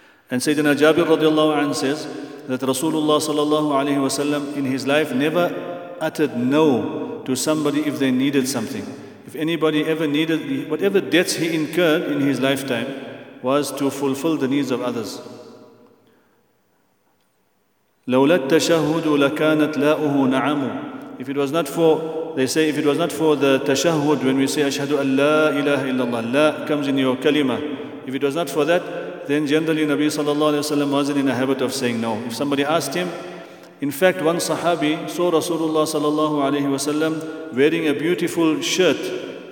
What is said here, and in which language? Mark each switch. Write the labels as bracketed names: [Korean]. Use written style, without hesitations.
[English] And Sayyidina Jabir radiallahu anhu says that Rasulullah sallallahu alayhi wa sallam in his life never uttered no to somebody if they needed something. If anybody ever needed, whatever debts he incurred in his lifetime was to fulfill the needs of others. [Arabic] لولا التشهد لكانت لاؤه نعم. [English] If it was not for, they say, if it was not for the tashahud, when we say [Arabic] أشهد أن لا إله إلا الله, [English] لا comes in your kalima. If it was not for that, then generally Nabi sallallahu alayhi wa sallam wasn't in a habit of saying no. If somebody asked him, in fact, one Sahabi saw Rasulullah sallallahu alayhi wa sallam wearing a beautiful shirt.